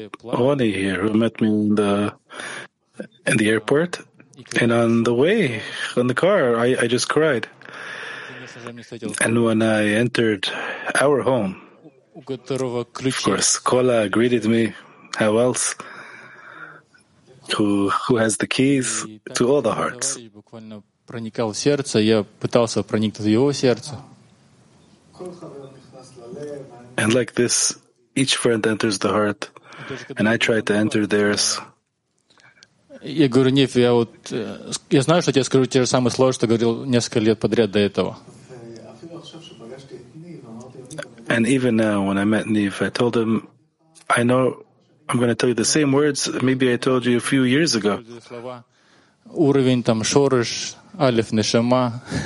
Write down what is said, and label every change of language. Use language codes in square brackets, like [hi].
[en] Like Oni here, who met me in the airport, and on the way, on the car, I just cried. And when I entered our home, of course, Kola greeted me. How else? Who has the keys to all the hearts? [ru] Буквально проникал в сердце. Я пытался проникнуть в его сердце. [en] And like this, each friend enters the heart, and I try to enter theirs. [ru] Я говорю, Ниф, я знаю, что тебе скажу те же самые слова, что говорил несколько лет подряд до этого. [en] And even now, when I met Niv, I told him, I know I'm going to tell you the same words maybe I told you a few years ago. [ru] уровень там [he] шорыш алиф нешама.